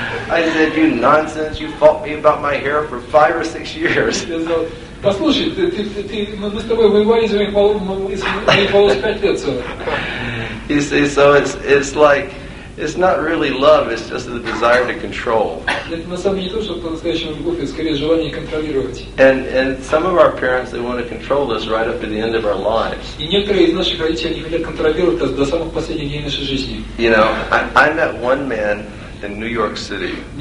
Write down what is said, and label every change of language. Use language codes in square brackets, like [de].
[en] I said, you nonsense, you fought me about my hair for 5 or 6 years. [ru] Послушай, мы с тобой воевали из моих волос 5 лет целых. [en] You see, so it's like, it's not really love, it's just the desire to control. And some of our parents, they want to control us right up to the end of our lives. You know, I met one man in New York City.